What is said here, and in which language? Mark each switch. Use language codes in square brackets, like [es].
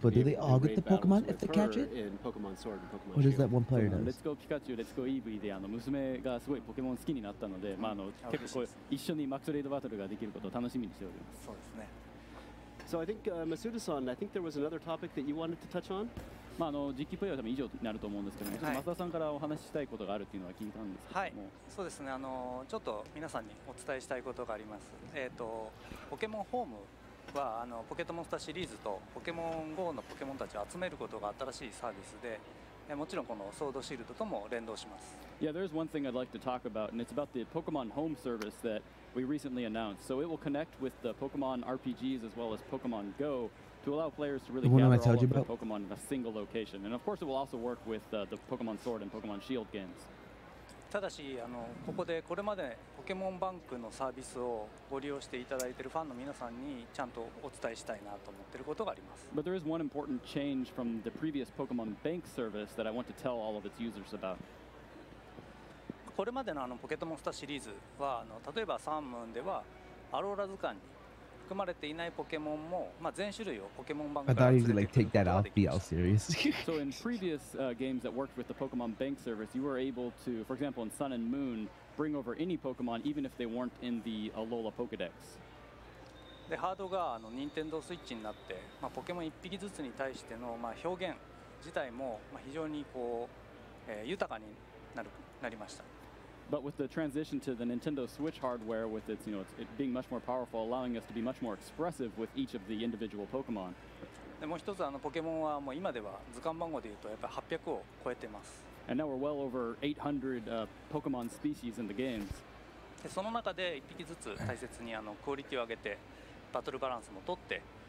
[en] But do they all get the Pokemon if they catch it? In Pokemon Sword and Pokemon Shield. What is that one player does? [ja] Let's Go Pikachu, Let's Go Eevee で娘がすごいポケモン好きになったので、まああの結構こう一緒にマックスレイドバトルができることを楽しみにしております。そうですね。 [en] So I think Masuda-san, I think there was another topic that you wanted to touch on. [ja] まああの実機プレイは多分以上になると思うんですけども、ちょっと増田さんからお話ししたいことがあるっていうのは聞いたんですけども。はい。そうですね。あのちょっと皆さんにお伝えしたいことがあります。ポケモンホームはあのポケットモンスターシリーズとポケモン GO のポケモンたちを集めることが新しいサービスで、もちろんこのソードシールドとも連動します。 [en] Yeah, there's one thing I'd like to talk about, and it's about the Pokemon Home service that we recently announced. So it will connect with the Pokemon RPGs as well as Pokemon Go to allow players to really gather all of their Pokemon in a single location. And of course, it will also work with the Pokemon Sword and Pokemon Shield games. [ja] ただし、ここでこれまでポケモンバンクのサービスをご利用していただいているファンの皆さんにちゃんとお伝えしたいなと思っていることがあります。 [en] But there is one important change from the previous Pokemon Bank service that I want to tell all of its users about. [ja] これまで のポケットモンスターシリーズは例えばサンムーンではアローラ図鑑に含まれていないポケモンも、まあ、全種類をポケモン版から連れてくることができました。 [en] I thought you'd like take that off, be all serious. So in previous games that worked with the Pokemon Bank service, you were able to, for example, in Sun and Moon, bring over any Pokemon even if they weren't in the Alola Pokedex. [ja] でハードが Nintendo Switch になって、まあ、ポケモン1匹ずつに対しての、まあ、表現自体も、まあ、非常にこう、豊かになる。 [en] But with the transition to the Nintendo Switch hardware, with its, you know, it being much more powerful, allowing us to be much more expressive with each of the individual Pokemon. [ja] もう一つ、ポケモンはもう今では図鑑番号で言うとやっぱり800を超えてます。 [en] And now we're well over 800 Pokemon species in the games. [ja] その中で1匹ずつ大切にクオリティを上げて、バトルバランスも取って、